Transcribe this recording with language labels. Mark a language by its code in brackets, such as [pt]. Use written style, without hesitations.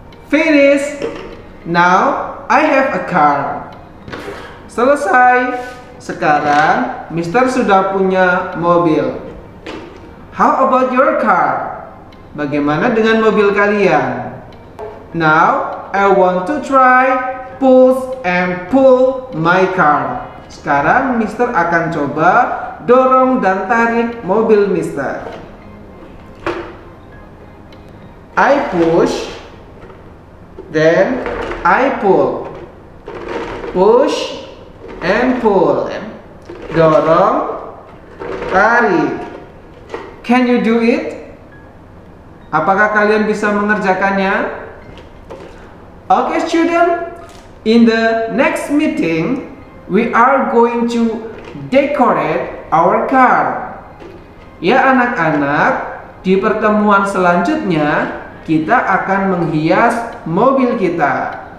[en] Finish. Now I have a car. [id] Selesai. Sekarang, Mister sudah punya mobil. [en] How about your car? [id] Bagaimana dengan mobil kalian? [en] Now, I want to try push and pull my car. [id] Sekarang, Mister akan coba dorong dan tarik mobil Mister. [en] I push, then I pull. Push and pull. [id] Dorong, tarik. [en] Can you do it? [id] Apakah kalian bisa mengerjakannya? [en] Okay, student. In the next meeting, we are going to decorate our car. [id] Ya anak-anak, di pertemuan selanjutnya kita akan menghias mobil kita.